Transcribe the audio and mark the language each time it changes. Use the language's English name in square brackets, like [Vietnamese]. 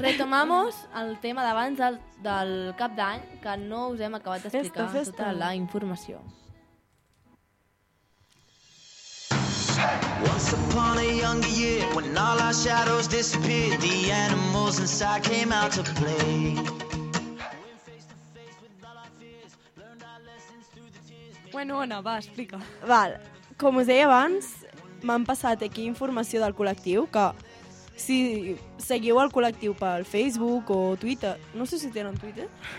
[Catalan] Retomamos el tema d'abans del cap d'any, que no us hem acabat d'explicar tota la informació. [English] Once upon a younger year, when all our shadows disappeared, the animals inside came out to play. When face to face with all our fears, learned our lessons through the tears. [Catalan] Bueno, Ona, va, explica. Val, com us deia abans, m'han passat aquí informació del col·lectiu, que si seguiu el col·lectiu pel Facebook o Twitter, no sé si tenen Twitter...